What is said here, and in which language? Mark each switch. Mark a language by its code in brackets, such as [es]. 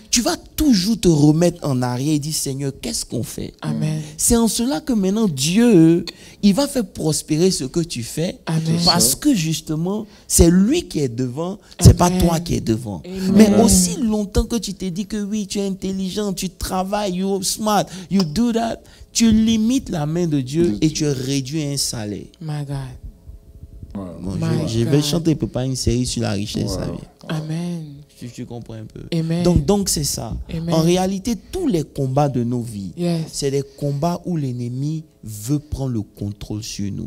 [fr] Tu vas toujours te remettre en arrière et dire, Seigneur, qu'est-ce qu'on fait? Amen. C'est en cela que maintenant Dieu, il va faire prospérer ce que tu fais. Amen. Parce que justement, c'est lui qui est devant, c'est pas toi qui es devant. Amen. Mais aussi longtemps que tu t'es dit que oui, tu es intelligent, intelligent, tu travailles, [en] you're smart, you do that. [fr] Tu limites la main de Dieu et tu réduis un salaire. [en] My God. [fr] Bonjour. Je vais chanter, je peux pas une série sur la richesse. Wow. Amen. Si tu comprends un peu. Amen. Donc c'est ça. Amen. En réalité, tous les combats de nos vies, [en] yes, [fr] c'est des combats où l'ennemi veut prendre le contrôle sur nous.